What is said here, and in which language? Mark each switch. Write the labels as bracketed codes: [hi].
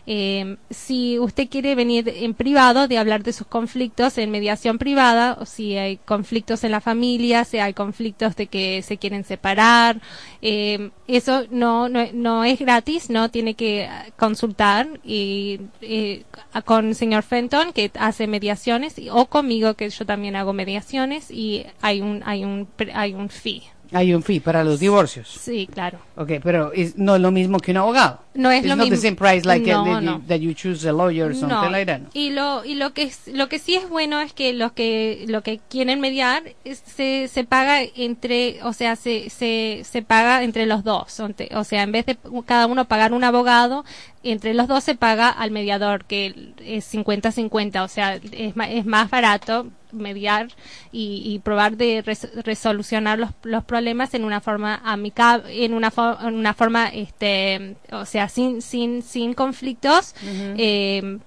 [es] Si usted quiere venir en privado de hablar de sus conflictos en mediación privada, o si hay conflictos en la familia, si hay conflictos de que se quieren separar, eso no es gratis, no tiene que consultar y con el señor Fenton, que hace mediaciones, o conmigo, que yo también hago mediaciones, y hay un fee. Hay un fee para los divorcios. Sí, claro. Okay, pero es no es lo mismo que un abogado. No es [en] it's [es] lo mismo. [en] It's not the same price like that you choose a lawyer or something like that. [es] No. Y lo que sí es bueno es que lo que quieren mediar se paga entre, o sea, se paga entre los dos, o sea, en vez de cada uno pagar un abogado, entre los dos se paga al mediador, que es 50-50, o sea, es más barato mediar y probar de resolucionar los problemas en una forma amigable, en una forma o sea, sin conflictos. Uh-huh.